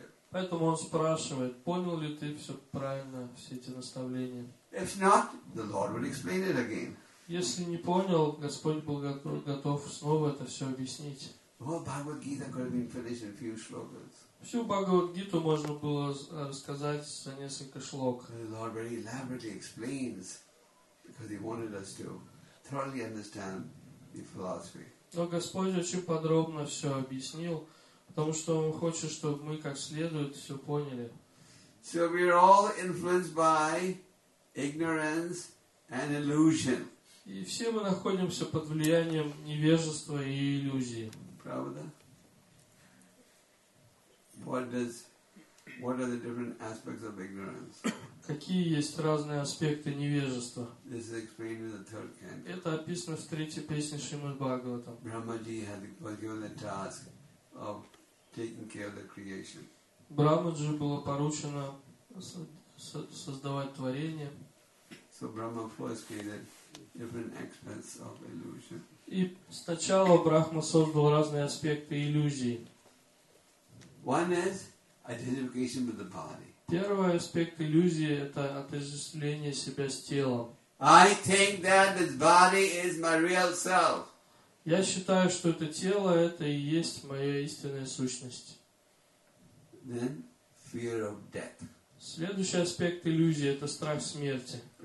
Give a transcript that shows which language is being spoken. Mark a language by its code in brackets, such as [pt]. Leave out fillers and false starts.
[ru] Поэтому он спрашивает, понял ли ты все правильно, все эти наставления? [en] If not, the Lord would explain it again. [ru] Если не понял, Господь был готов снова это все объяснить. [en] Well, Bhagavad-gita could have been finished in a few shlokas. [ru] Всю Бхагавад-гиту можно было рассказать за несколько шлок. [en] The Lord very elaborately explains. Because he wanted us to thoroughly understand the philosophy. [ru] Но Господь очень подробно все объяснил, потому что Он хочет, чтобы мы как следует все поняли. [en] So we are all influenced by ignorance and illusion. [ru] И все мы находимся под влиянием невежества и иллюзии. Правда? [en] What are the different aspects of ignorance? [ru] Какие есть разные аспекты невежества? [en] This is explained in the third canto. [ru] Это описано в третьей песне Шримад Бхагаватам. [en] Brahmaji was given the task of taking care of the creation. [ru] Брахмаджи было поручено создавать творение. [en] So Brahma first created different aspects of illusion. [ru] И сначала Брахма создал разные аспекты иллюзии. [en] One is identification with the body. [ru] Первый аспект иллюзии – это отождествление себя с телом. [en] I think that this body is my real self. [ru] Я считаю, что это тело – это и есть моя истинная сущность. [en] Then, fear of death. [ru] Следующий аспект иллюзии – это страх смерти.